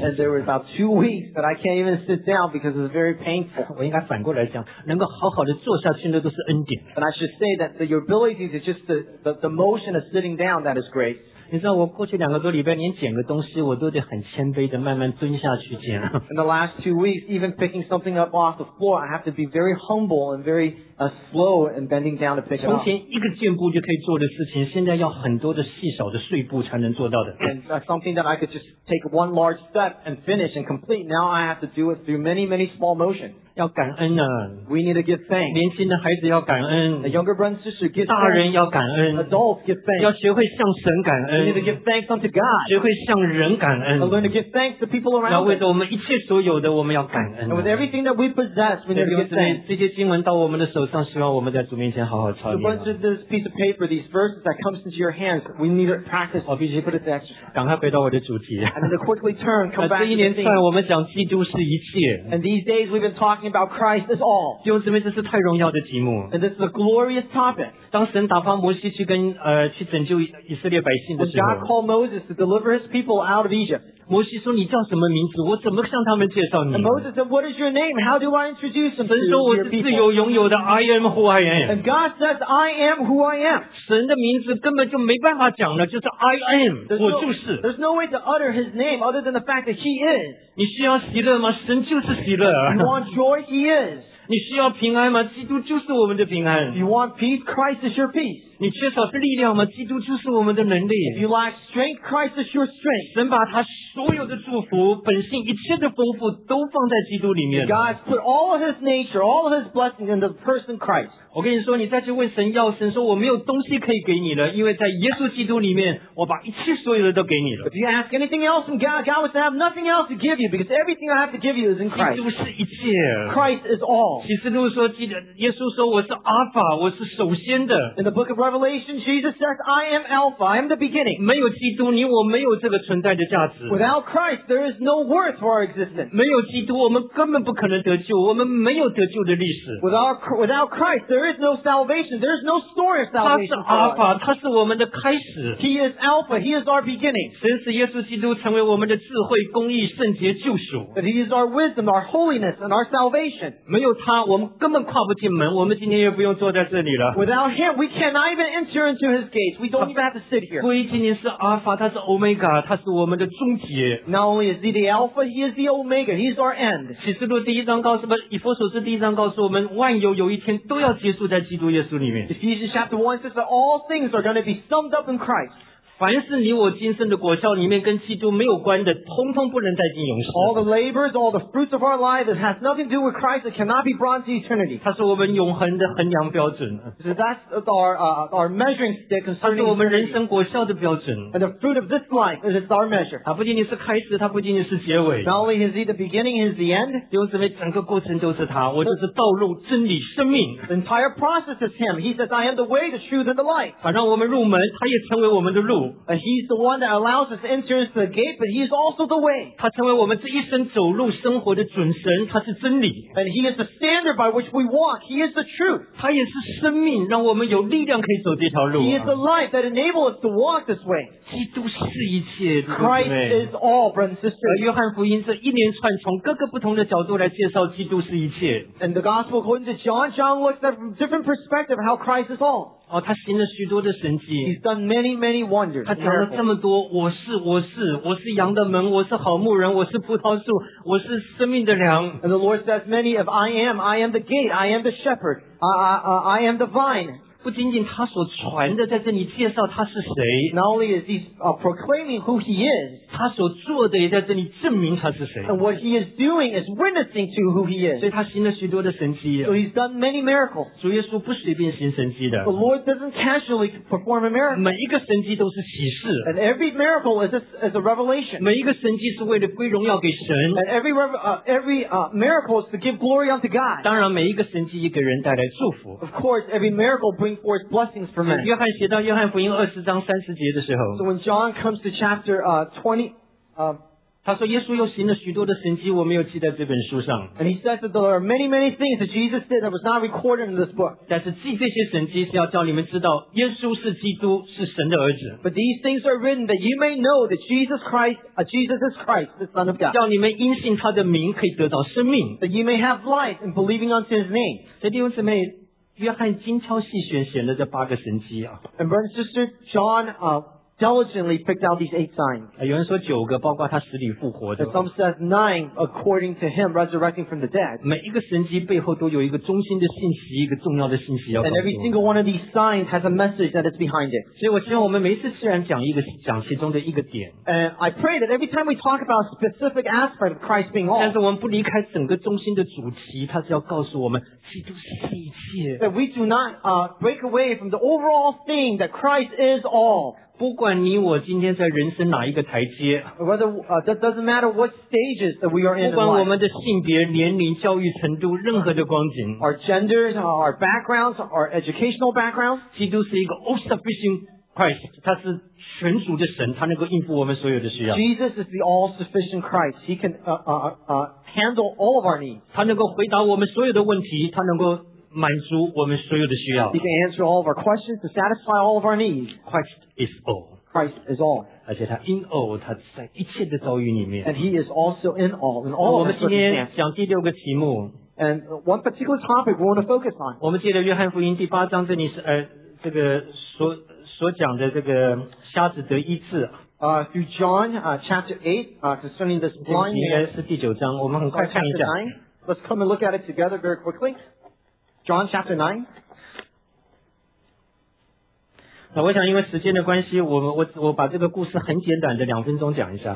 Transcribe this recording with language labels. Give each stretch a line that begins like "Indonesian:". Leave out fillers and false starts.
English: And there were about 2 weeks that I can't even sit down because it's very painful.
Chinese: 我应该反过来讲，能够好好的坐下。现在都是恩典。
English: And I should say that your ability is just the motion of sitting down that is great.
Chinese: 你知道我过去两个多礼拜连捡个东西我都得很谦卑的慢慢蹲下去捡。
English: In the last 2 weeks, even picking something up off the floor, I have to be very humble and very slow and bending down to pick it up.
Chinese: 从前一个箭步就可以做的事情，现在要很多的细小的碎步才能做到的。
English: And something that I could just take one large step and finish and complete, now I have to do it through many, many small motions.
Chinese: 要感恩啊
English: We need to give thanks.
Chinese: 年轻的孩子要感恩
English: The younger brothers and sisters give thanks.
Chinese: 大人要感恩
English: Adults give thanks.
Chinese: 要学会向神感恩
English: We need to give thanks unto God.
Chinese: 学会向人感恩
English: Learn to give thanks to people around us.
Chinese: 要为着我们一切所有的我们要感恩
English: And with everything that we possess, we need to give thanks.
Chinese: 这些经文到我们的手上希望我们在主面前好好操练
English: So once this piece of paper, these verses that comes into your hands, we need to practice.
Chinese: 我必须
English: put it there.
Chinese: 赶快回到我的主题
English: And then quickly turn, come back to the theme.
Chinese: 这一年算我们讲基督是一切
English: And these days we've been talking about Christ is all.
Chinese: 弟兄姊妹，这是太荣耀的题目。
English: And this is a glorious topic.
Chinese: 当神打发摩西去跟去拯救以色列百姓的时候
English: ，When God called Moses to deliver His people out of Egypt.
Chinese: 摩西说：“你叫什么名字？我怎么向他们介绍你
English: ？”And Moses said, "What is your name? How do I introduce them?"
Chinese: 神说：“我是自由拥有的 ，
English: I am who I am." And God says, "I am who I am."
Chinese: 神的名字根本就没办法讲了，就是
English: I am，
Chinese: 我就是。
English: There's no way to utter His name other than the fact that He is.
Chinese: 你需要喜乐吗？神就是喜乐。
English: You want joy? He is.
Chinese: 你需要平安吗？基督就是我们的平安。
English: You want peace? Christ is your peace.
Chinese: 你缺少力量吗？基督就是我们的能力。
English: If you lack strength, Christ is your strength.
Chinese: 神把他所有的祝福、本性、一切的丰富都放在基督里面。
English: God put all of His nature, all of His blessings in the person Christ.
Chinese: 我跟你说，你再去问神要神，说我没有东西可以给你了，因为在耶稣基督里面，我把一切所有的都给你了。
English: If you ask anything else from God, God would have nothing else to give you because everything I have to give you is in Christ.
Chinese: 基督是一切。
English: Christ is all.
Chinese: 启示录说，记得耶稣说我是 Alpha， 我是首先的。
English: In the book of Revelation, Jesus says, "I am Alpha, I am the beginning."
Chinese: 没有基督，你我没有这个存在的价值。
English: Without Christ, there is no worth for our existence.
Chinese: 没有基督，我们根本不可能得救，我们没有得救的历史。
English: Without Christ, there is no salvation. There is no story of salvation.
Chinese: 他是 Alpha， 他是我们的开始。
English: He is Alpha, He is our beginning.
Chinese: 神使耶稣基督成为我们的智慧、公义、圣洁、救赎。
English: But He is our wisdom, our holiness, and our salvation.
Chinese: 没有他我们根本跨不进门我们今天也不用坐在这里了
English: Without him we cannot even enter into his gates we don't even have to sit here
Chinese: 不一今天是 Alpha 他是 Omega 他是我们的终结
English: Not only is he the Alpha he is the Omega he is our end
Chinese: 启示录第一章告诉不以弗所书第一章告诉我们万有有一天都要结束在基督耶稣里面
English: Ephesians chapter 1 says that all things are going to be summed up in Christ
Chinese: 凡是你我今生的果效里面跟基督没有关的，通通不能再进永世。
English: All the labors, all the fruits of our life that has nothing to do with Christ, it cannot be brought to eternity.
Chinese: 它是我们永恒的衡量标准。
English: So that's our measuring stick concerning eternity.
Chinese: 它是我们人生果效的标准。
English: And the fruit of this life is our measure.
Chinese: 它不仅仅是开始，它不仅仅是结尾。
English: Not only is he the beginning, he is the end.
Chinese: 弟兄姊妹，整个过程都是他，我就是道路、真理、生命。
English: The entire process is him. He says, "I am the way, the truth, and the life."
Chinese: 它让我们入门，他也成为我们的路。
English: And he's the one that allows us to enter the gate, but he's also the way.
Chinese: 他成为我们这一生走路生活的准绳，他是真理。
English: And he is the standard by which we walk. He is the truth.
Chinese: 他也是生命，让我们有力量可以走这条路。
English: He is the life that enables us to walk this way.
Chinese: 基督是一切。
English: Christ is all, brothers and sisters.
Chinese: 而约翰福音这一连串从各个不同的角度来介绍基督是一切。
English: And the gospel according to John looks at from different perspective how Christ is all.
Chinese: 哦、他行了许多的神迹
English: He's done many, many wonders.
Chinese: 他讲了这么多我是我是我是羊的门我是好牧人我是葡萄树我是生命的粮
English: And the Lord says many of I am the gate, I am the shepherd, I am the vine.
Chinese: 不仅仅他所传的在这里介绍他是谁
English: Not only is he proclaiming who he is,
Chinese: 他所做的也在这里证明他是谁
English: And what he is doing is witnessing to who he is.
Chinese: 所以他行了许多的神迹
English: So he's done many miracles.
Chinese: 主耶稣不随便行神迹的
English: Lord doesn't casually perform a miracle.
Chinese: 每一个神迹都是启示。
English: And every miracle is a revelation.
Chinese: 每一个神迹是为了归荣耀给神。
English: And miracle is to give glory unto God.
Chinese: 当然每一个神迹也给人带来祝福。
English: Of course, every miracle brings forth blessings for men.
Chinese: 约翰写到约翰福音二十章三十节的时候。
English: So when John comes to chapter 20,
Chinese: 他说耶稣又行了许多的神迹我没有记在这本书上
English: And he says that there are many many things that Jesus did that was not recorded in this book
Chinese: 但是记这些神迹是要叫你们知道耶稣是基督是神的儿子
English: But these things are written that you may know that Jesus is Christ the Son of God
Chinese: 叫你们因信他的名可以得到生命
English: That you may have life in believing on his name
Chinese: 所以弟兄姊妹约翰精挑细选选了这八个神迹、啊、
English: And brother and sister John diligently picked out these eight signs.
Chinese: 有人说九个，包括他死里复活的。
English: Some says nine, according to him, resurrecting from the dead.
Chinese: 每一个神迹背后都有一个中心的信息，一个重要的信息要告诉。
English: And every single one of these signs has a message that is behind it.
Chinese: 所以我希望我们每次虽然讲一个讲其中的一个点。
English: And I pray that every time we talk about a specific aspect of Christ being all.
Chinese: 但是我们不离开整个中心的主题，它是要告诉我们基督是一切。
English: That we do not break away from the overall thing that Christ is all.
Chinese: 不管你我今天在人生哪一个台阶
English: that doesn't matter what stages that we are in
Chinese: 不管我们的性别年龄教育程度任何的光景
English: our genders our backgrounds our educational backgrounds
Chinese: 基督是一个
English: all sufficient Christ
Chinese: 他是全主的神他能够应付我们所有的需要
English: Jesus is the all sufficient Christ he can handle all of our needs
Chinese: 他能够回答我们所有的问题他能够满足我们所有的需要
English: He can answer all of our questions to satisfy all of our needs Christ is all Christ is all
Chinese: 而且他
English: in all
Chinese: 他在一切的遭遇里面
English: And he is also in all in all
Chinese: 我们今天讲第六个题目
English: And one particular topic we want to focus on
Chinese: 我们记得约翰福音第八章这里是这个所讲的这个瞎子得医治
English: through John chapter 8 concerning this blind man
Chinese: 是第九章我们很快看一下
English: Let's come and look at it together very quicklyJohn chapter 9.
Chinese: 我想因为时间的关系 我把这个故事很简短的两分钟讲一下。